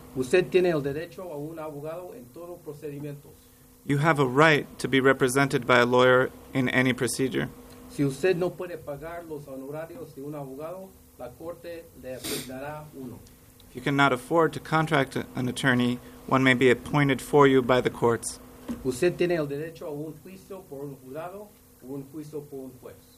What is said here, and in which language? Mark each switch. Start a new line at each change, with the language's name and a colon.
Spanish: Usted tiene el derecho a un abogado en todos los procedimientos.
English: You have a right to be represented by a lawyer in any procedure.
Spanish: Si usted no puede pagar los honorarios de un abogado, la corte le asignará uno.
English: If you cannot afford to contract an attorney, one may be appointed for you by the courts.
Spanish: Usted tiene el derecho a un juicio por un jurado o un juicio por un juez.